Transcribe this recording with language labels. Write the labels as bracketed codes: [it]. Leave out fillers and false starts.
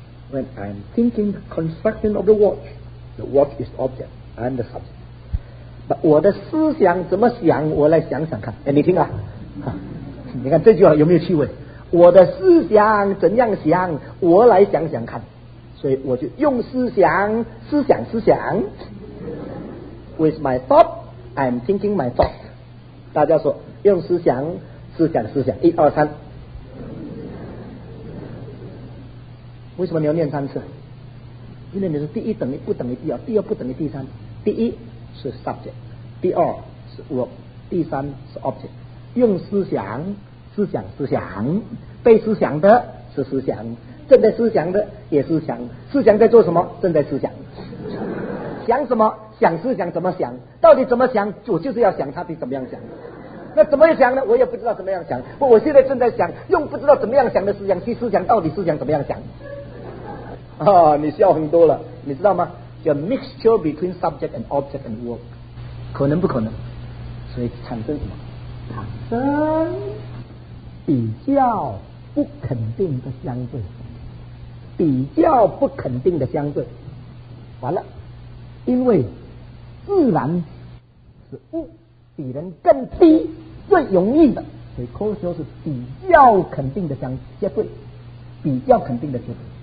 [en] When I'm thinking the construction of the watch is object, I'm the subject. [zh] But 我的思想怎么想？我来想想看。哎，你听啊，你看这句话有没有趣味？我的思想怎样想？我来想想看。所以我就用思想，思想，思想。 [en] With my thought, I'm thinking my thought. [zh] 大家说，用思想，思想，思想。一二三。为什么你要念三次？因为你是第一等于不等于第二，第二不等于第三。第一是 subject， 第二是 work， 第三是 object。用思想，思想，思想，被思想的是思想，正在思想的也思想，思想在做什么？正在思想。想什么？想思想怎么想？到底怎么想？我就是要想他得怎么样想。那怎么想呢？我也不知道怎么样想。我现在正在想，用不知道怎么样想的思想去思想，到底思想怎么样想？啊、哦，你笑很多了，你知道吗？ [en] 叫 mixture between subject and object and work，可能不可能？ [zh] 所以产生什么？产生比较不肯定的相对，比较不肯定的相对。完了，因为自然是物比人更低最容易的，所以科学是比较肯定的相对，比较肯定的相对。